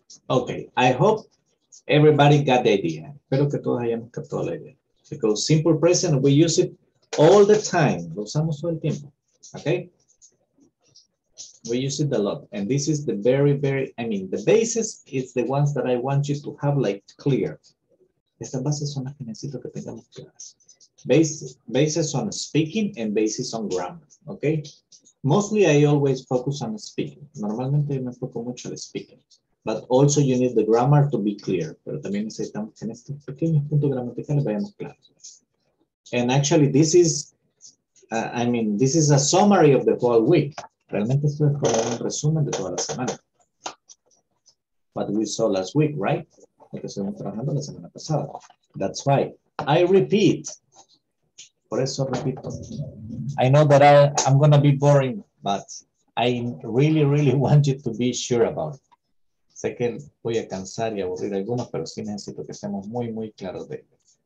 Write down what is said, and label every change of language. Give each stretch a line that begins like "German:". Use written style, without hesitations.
English: Okay, I hope everybody got the idea.
Spanish: Espero que todos hayan captado la idea.
English: Because simple present, we use it all the time.
Spanish: Lo usamos todo el tiempo.
English: Okay? We use it a lot. And this is the the basis is the ones that I want you to have like clear.
Spanish: Estas bases son las que necesito que tengamos claras.
English: Basis on speaking and basis on grammar. Okay? Mostly I always focus on speaking.
Spanish: Normalmente me enfoco mucho al speaking.
English: But also you need the grammar to be clear.
Spanish: Pero también necesitamos que en estos pequeños puntos gramaticales vayamos claros.
English: And actually this is, this is a summary of the whole week.
Spanish: Realmente esto es como un resumen de toda la semana.
English: what we saw last week, right?
Spanish: Lo que estuvimos trabajando la semana pasada.
English: That's why I repeat.
Spanish: Por eso repito.
English: I know that I'm going to be boring, but I really, really want you to be sure about it.
Spanish: Sé que voy a cansar y aburrir algunos, pero sí necesito que estemos muy, muy claros de ello.